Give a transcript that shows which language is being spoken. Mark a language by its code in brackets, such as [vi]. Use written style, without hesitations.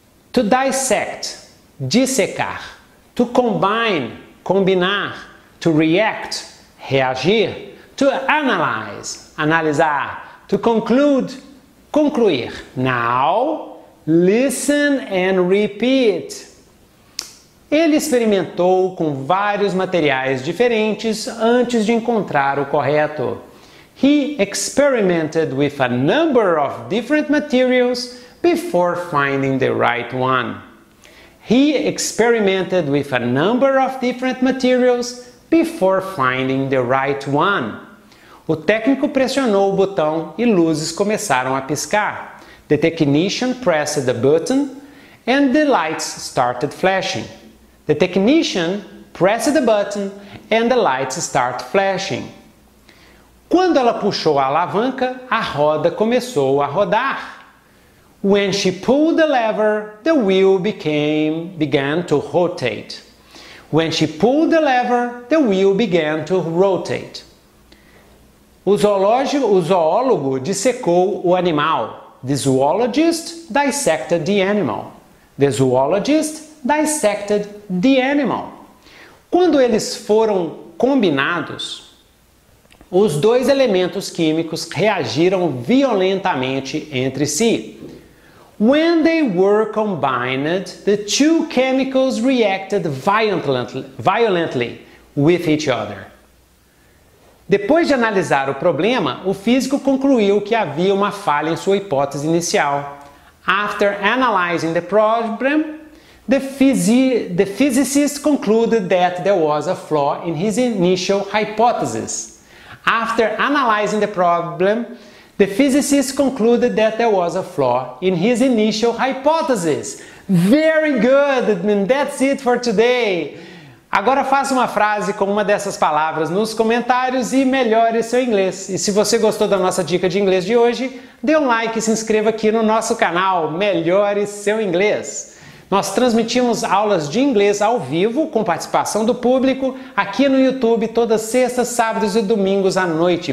[en] to dissect, dissecar; to combine, combinar; to react, reagir; to analyze, analisar; to conclude, concluir. Now, listen and repeat. [pt] Ele experimentou com vários materiais diferentes antes de encontrar o correto. [en] He experimented with a number of different materials before finding the right one. He experimented with a number of different materials before finding the right one. [pt] O técnico pressionou o botão e luzes começaram a piscar. [en] The technician pressed the button and the lights started flashing. The technician pressed the button and the lights start flashing. [pt] Quando ela puxou a alavanca, a roda começou a rodar. [en] When she pulled the lever, the wheel began to rotate. When she pulled the lever, the wheel began to rotate. [pt] O zoólogo dissecou o animal. [en] The zoologist dissected the animal. The zoologist dissected the animal. [pt] Quando eles foram combinados, os dois elementos químicos reagiram violentamente entre si. [en] When they were combined, the two chemicals reacted violently with each other. [pt] Depois de analisar o problema, o físico concluiu que havia uma falha em sua hipótese inicial. [en] After analyzing the problem, The physicist concluded that there was a flaw in his initial hypothesis. After analyzing the problem, the physicist concluded that there was a flaw in his initial hypothesis. Very good! And that's it for today! [pt] Agora faça uma frase com uma dessas palavras nos comentários e melhore seu inglês. E se você gostou da nossa dica de inglês de hoje, dê um like e se inscreva aqui no nosso canal Melhore Seu Inglês. Nós transmitimos aulas de inglês ao vivo, com participação do público, aqui no YouTube, todas sextas, sábados e domingos à noite.